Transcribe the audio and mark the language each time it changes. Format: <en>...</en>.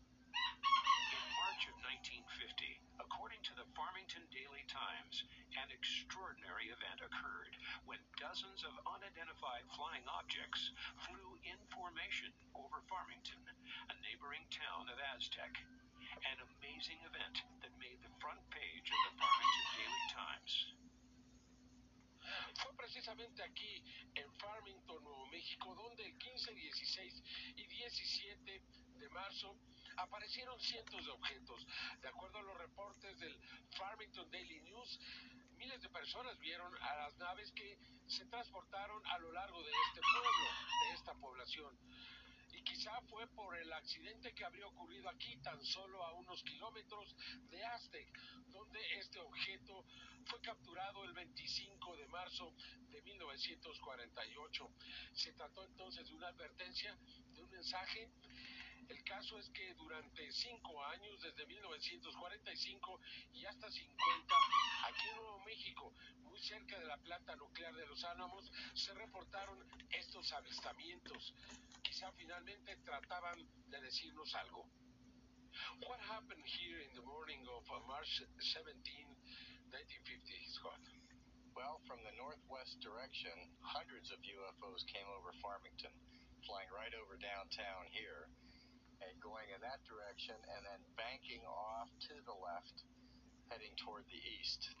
<en>In March of 1950, according to the Farmington Daily Times, an extraordinary event occurred when dozens of unidentified flying objects flew in formation over Farmington, a neighboring town of Aztec. An amazing event that made the front page of the Farmington Daily Times.</en> <es>Fue precisamente aquí, en Farmington, Nuevo México, donde el 15, 16 y 17 de marzo aparecieron cientos de objetos. De acuerdo a los reportes del Farmington Daily News, miles de personas vieron a las naves que se transportaron a lo largo de este pueblo, de esta población. Y quizá fue por el accidente que habría ocurrido aquí, tan solo a unos kilómetros de Aztec, donde este objeto fue capturado el 25 de marzo de 1948. Se trató entonces de una advertencia, de un mensaje. El caso es que durante cinco años, desde 1945 y hasta 50, aquí en Nuevo México, muy cerca de la planta nuclear de Los Álamos, se reportaron estos avistamientos. Quizá finalmente trataban de decirnos algo.</es> <en>What happened here in the morning of March 17, 1950, Scott? Well, from the northwest direction, hundreds of UFOs came over Farmington, flying right over downtown here, and going in that direction, and then banking off to the left, heading toward the east.</en>